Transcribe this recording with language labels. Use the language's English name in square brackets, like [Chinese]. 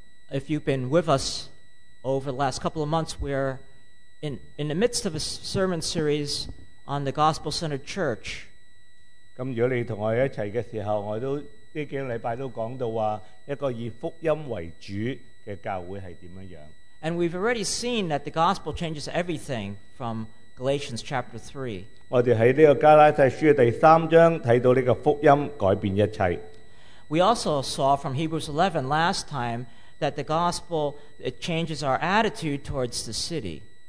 [English] If you've been with us over the last couple of months, we're in the midst of a sermon series on the gospel-centered church. [Cantonese] 咁如果你同我一齐嘅时候，我都呢几个礼拜都讲到话一个以福音为主嘅教会系点样样。 [English] And we've already seen that the gospel changes everything from Galatians chapter 3. [Cantonese] 我哋喺呢个加拉太书第三章睇到呢个福音改变一切。 [English] We also saw from Hebrews 11 last time that the gospel it changes our attitude towards the city.